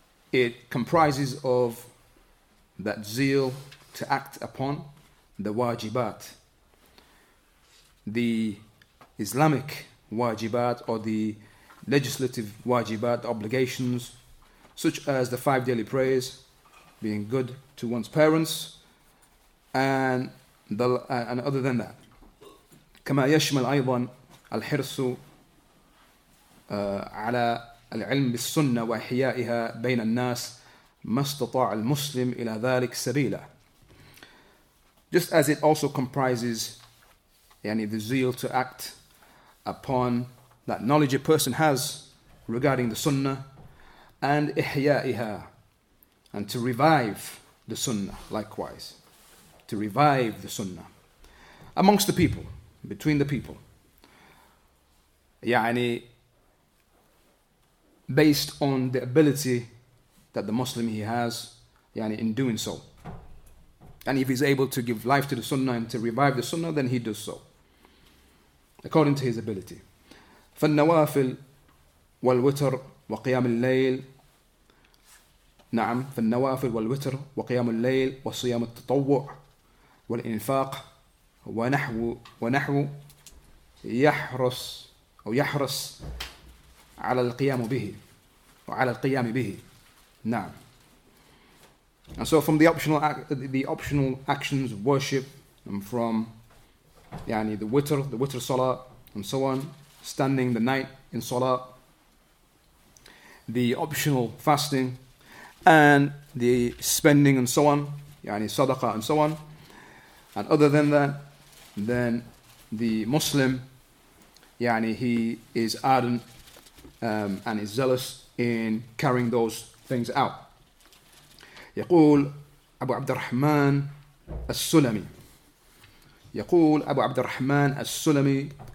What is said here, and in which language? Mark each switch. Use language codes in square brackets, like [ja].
[en] it comprises of that zeal to act upon the wajibat, the Islamic wajibat, or the legislative wajibat, the obligations, such as the five daily prayers, being good to one's parents, and other than that. [ar] كما يشمل أيضا الحرص على العلم بالسنة وإحيائها بين الناس ما استطاع المسلم إلى ذلك سبيلا. [en] Just as it also comprises يعني the zeal to act upon that knowledge a person has regarding the sunnah, and ihya'iha, and to revive the sunnah likewise, to revive the sunnah amongst the people, between the people, يعني based on the ability that the Muslim he has يعني in doing so. And if he's able to give life to the sunnah and to revive the sunnah, then he does so according to his ability. [ar] فالنوافل والوتر وقيام الليل. نعم. فالنوافل والوتر وقيام الليل وصيام التطوع والإنفاق ونحو يحرص أو يحرص على القيام به وعلى القيام به. [en] نعم. And so from the optional actions of worship, and from يعني the witr salah, and so on, standing the night in salah, the optional fasting, and the spending, and so on, يعني sadaqah, and so on. And other than that, then the Muslim يعني he is ardent and is zealous in carrying those things out. [ar] يقول أبو عبد الرحمن السلمي. يقول أبو عبد الرحمن السلمي.